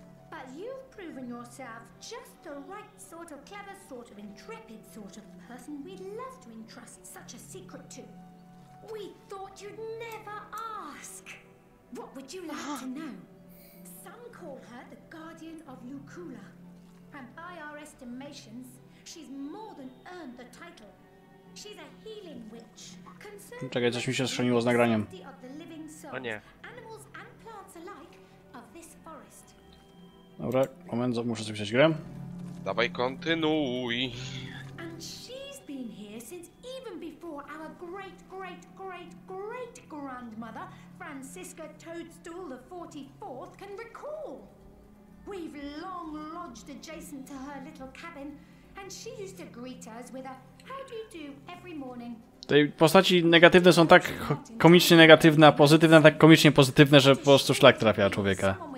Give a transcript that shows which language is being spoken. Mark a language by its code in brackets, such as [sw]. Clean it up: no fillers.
[en] But you've proven yourself just the right sort of clever sort of intrepid sort of person we'd love to entrust such a secret to. We thought you'd never ask. What would you like to know? Some call her the Guardian of Lucula. And by our estimations, she's more than earned the title. She's a healing witch. [pl] Czekaj, coś mi się schroniło z nagraniem. O nie. [en] Animals and plants alike of this forest. [pl] Dobra, moment, muszę zapisać grę. Dawaj, kontynuuj. [en] And she's been here since even before our great great great great grandmother, Francisca Toadstool the 44th, can recall. We've long lodged adjacent to her little cabin, and she used to greet us with a how do you do every morning. [pl] Te postaci negatywne są tak komicznie negatywne, a pozytywne tak komicznie pozytywne, że po prostu szlak trafia człowieka.